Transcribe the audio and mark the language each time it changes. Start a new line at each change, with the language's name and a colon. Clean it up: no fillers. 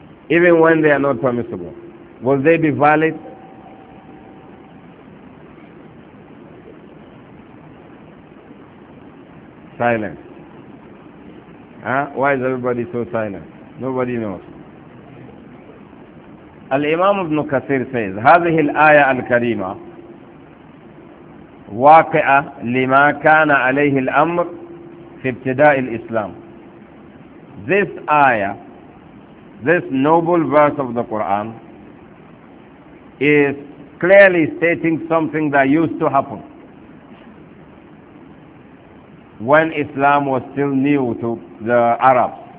English: Even when they are not permissible, will they be valid? Silence. Why is everybody so silent? Nobody knows.
Arabic: الإمام ابن كثير
English: says
Arabic: هذه الآية الكريمة واقعة لما كان عليه الأمر في ابتداء الإسلام.
English: This ayah, this noble verse of the Quran, is clearly stating something that used to happen when Islam was still new to the Arabs.